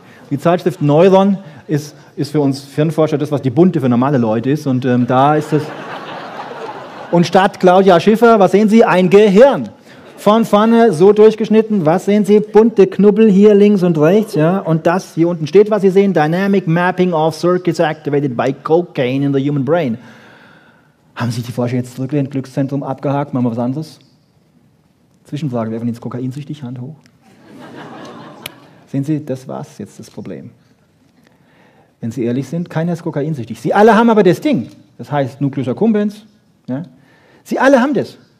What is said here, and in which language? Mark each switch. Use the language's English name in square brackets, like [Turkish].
[German] Die Zeitschrift Neuron ist für uns Hirnforscher das, was die Bunte für normale Leute ist. Und da ist es. Und statt Claudia Schiffer, was sehen Sie? Ein Gehirn. Von vorne so durchgeschnitten, was sehen Sie? Bunte Knubbel hier links und rechts. Ja? Und das hier unten steht, was Sie sehen. [English] Dynamic Mapping of Circuits Activated by Cocaine in the Human Brain. [German] Haben sich die Forscher jetzt zurückgelehnt, Glückszentrum abgehakt, machen wir was anderes? Zwischenfrage, wer von Ihnen ist kokainsüchtig? Hand hoch. Sehen Sie, das war's jetzt das Problem. Wenn Sie ehrlich sind, keiner ist kokainsüchtig. Sie alle haben aber das Ding. Das heißt Nucleus Accumbens. Ja? Sie alle haben das.